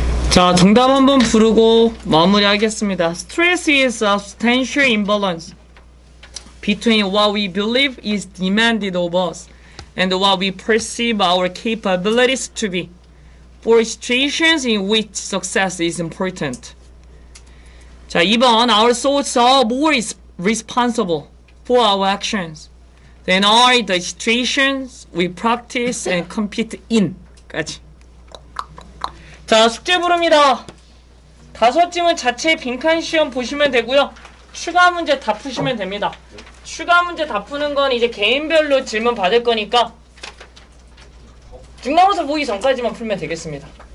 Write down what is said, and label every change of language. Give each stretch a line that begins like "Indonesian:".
Korean: 자, 정답 한번 부르고 마무리 하겠습니다.
English: Stress is a substantial imbalance between what we believe is demanded of us and what we perceive our capabilities to be for situations in which success is important. 자, 2번, our thoughts are more responsible for our actions than are the situations we practice and compete in.
Korean: 까지. 자, 숙제 부릅니다. 다섯 질문 자체 빈칸 시험 보시면 되고요. 추가 문제 다 푸시면 됩니다. 추가 문제 다 푸는 건 이제 개인별로 질문 받을 거니까 중간고사 보기 전까지만 풀면 되겠습니다.